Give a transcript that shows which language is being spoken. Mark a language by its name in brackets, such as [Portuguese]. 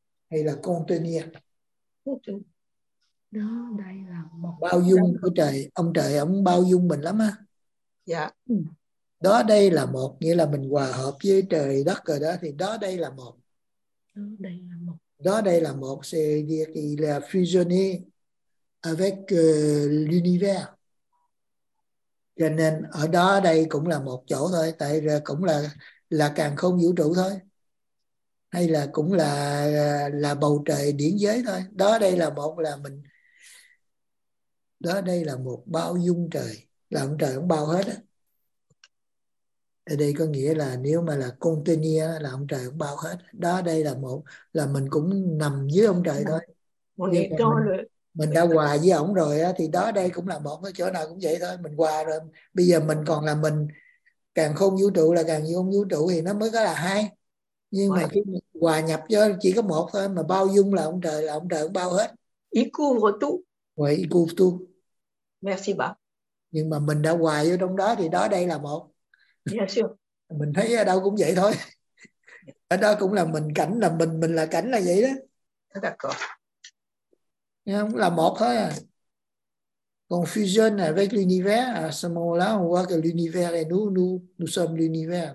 [Vietnamese] Hay là contenir. Đó, đây là một... Bao dung của trời. Ông trời ông bao dung mình lắm á. Dạ. Đó đây là một, nghĩa là mình hòa hợp với trời đất rồi đó, thì đó đây là một. Đó đây là một. Đó đây là một, [French] c'est là fusionné avec l'univers. [Vietnamese] Cho nên ở đó đây cũng là một chỗ thôi, tại cũng là càng không vũ trụ thôi. Hay là cũng là bầu trời điển giới thôi. Đó đây là một là mình. Đó đây là một bao dung trời. Là ông trời ông bao hết á. Ở đây có nghĩa là nếu mà là container là ông trời ông bao hết. Đó đây là một, là mình cũng nằm dưới ông trời thôi. Mình đã hòa với ông rồi á, thì đó đây cũng là một, cái chỗ nào cũng vậy thôi. Mình hòa rồi, bây giờ mình còn là mình, càng không vũ trụ là càng không vũ trụ thì nó mới có là hai. Nhưng mà khi hòa nhập chứ chỉ có một thôi, mà bao dung là ông trời ông bao hết. [French] Il couvre tout. Oui, il couvre tout. Merci ba. [Vietnamese] Nhưng mà mình đã hòa vô trong đó thì đó đây là một. [English] Yeah, sure. [Vietnamese] Mình thấy ở đâu cũng vậy thôi. Ở đó cũng là mình, cảnh là mình là cảnh là vậy đó. [French] D'accord. [Vietnamese] Là một thôi à. [French] Còn fusion avec l'univers, à ce moment-là, on voit que l'univers est nous, nous sommes l'univers.